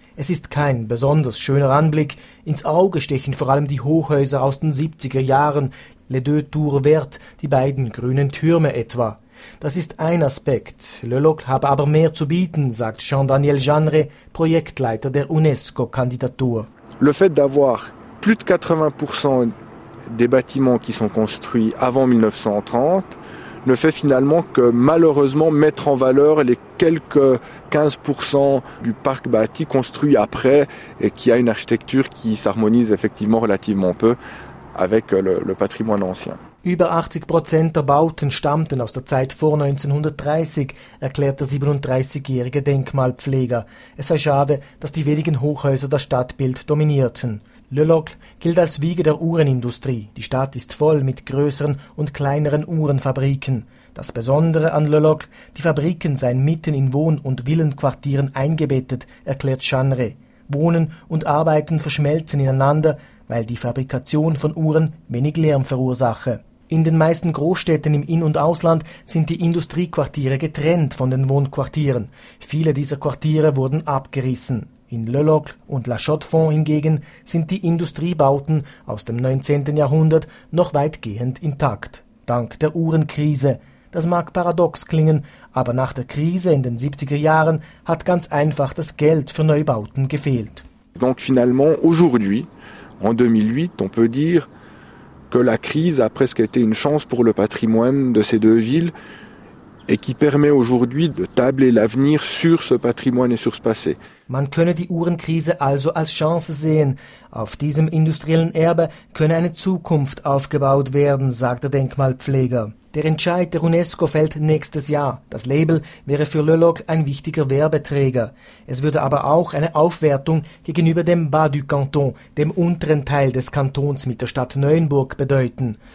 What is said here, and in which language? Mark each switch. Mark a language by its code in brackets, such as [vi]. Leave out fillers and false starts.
[de] Es ist kein besonders schöner Anblick. Ins Auge stechen vor allem die Hochhäuser aus den 70er Jahren, Les Deux Tours Vertes, die beiden grünen Türme etwa. Das ist ein Aspekt. Lölockl habe aber mehr zu bieten, sagt Jean-Daniel Jeanneret, Projektleiter der UNESCO-Kandidatur. [fr] Le fait d'avoir plus de 80% des bâtiments qui sont construits avant 1930 ne fait finalement que malheureusement mettre en valeur les quelques 15% du parc bâti construit après et qui a une architecture qui s'harmonise effectivement relativement peu avec le patrimoine ancien. [de] Über 80% der Bauten stammten aus der Zeit vor 1930, erklärt der 37-jährige Denkmalpfleger. Es sei schade, dass die wenigen Hochhäuser das Stadtbild dominierten. Lölockl gilt als Wiege der Uhrenindustrie. Die Stadt ist voll mit größeren und kleineren Uhrenfabriken. Das Besondere an Lölockl, die Fabriken seien mitten in Wohn- und Villenquartieren eingebettet, erklärt Jeanneret. Wohnen und Arbeiten verschmelzen ineinander, weil die Fabrikation von Uhren wenig Lärm verursache. In den meisten Großstädten im In- und Ausland sind die Industriequartiere getrennt von den Wohnquartieren. Viele dieser Quartiere wurden abgerissen. In Lölockl und La Chaux-de-Fonds hingegen sind die Industriebauten aus dem 19. Jahrhundert noch weitgehend intakt. Dank der Uhrenkrise. Das mag paradox klingen, aber nach der Krise in den 70er Jahren hat ganz einfach das Geld für Neubauten gefehlt. [fr] Donc finalement aujourd'hui, en 2008, on peut dire que la crise a presque été une chance pour le patrimoine de ces deux villes et qui permet aujourd'hui de tabler l'avenir sur ce patrimoine et sur ce passé. [de] Man könne die Uhrenkrise also als Chance sehen. Auf diesem industriellen Erbe könne eine Zukunft aufgebaut werden, sagt der Denkmalpfleger. Der Entscheid der UNESCO fällt nächstes Jahr. Das Label wäre für Lölockl ein wichtiger Werbeträger. Es würde aber auch eine Aufwertung gegenüber dem Bas du Canton, dem unteren Teil des Kantons mit der Stadt Neuenburg, bedeuten.